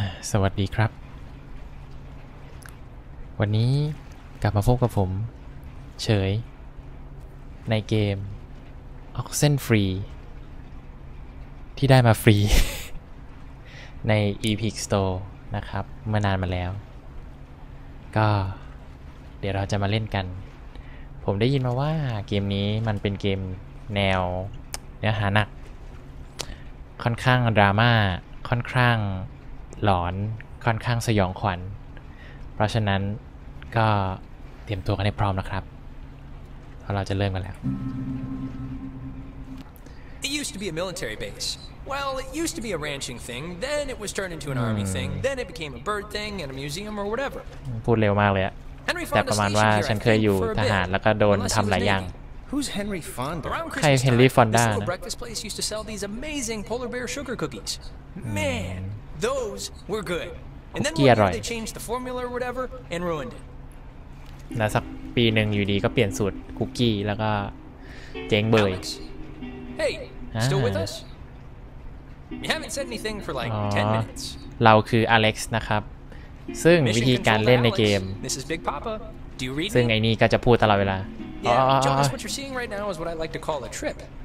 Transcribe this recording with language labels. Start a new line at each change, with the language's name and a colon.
Thai: สวัสดีครับวันนี้กลับมาพบกับผมเฉยในเกม Oxenfree ที่ได้มาฟรีใน Epic Store นะครับเมื่อนานมาแล้วก็เดี๋ยวเราจะมาเล่นกันผมได้ยินมาว่าเกมนี้มันเป็นเกมแนวเนื้อหาหนัก ค่อนข้างดราม่าค่อนข้างหลอนค่อนข้างสยองขวัญเพราะฉะนั้นก็เตรียมตัวกันให้พร้อมนะครับเพราะเราจะเริ่มกันแล้ว
English: It used to be a military base. Well, it used to be a ranching thing. Then it was turned into an army thing. Then it became a bird thing and a museum or whatever.
Thai: พูดเร็วมากเลยอะแต่ประมาณว่าฉันเคยอยู่ทหารแล้วก็โดนทำหลายอย่าง
English: Who's Henry Fonda? Around Christmas time, this little breakfast place used to sell these amazing polar bear sugar cookies. Man, those were good. And then one year they changed the formula or whatever and ruined it.
Thai: แล้วสักปีหนึ่งอยู่ดีก็เปลี่ยนสูตรคุกกี้แล้วก็เจ๊งเบย
English: Hey, still with us? You haven't said anything for like 10 minutes.
Thai: เราคืออเล็กซ์นะครับซึ่งวิธีการเล่นในเกม
English: This is Big Papa. Do you read me?
Thai: ซึ่งไอ้นี่ก็จะพูดตลอดเวลา
English: Jonas, what you're seeing right now is what I like to call a trip.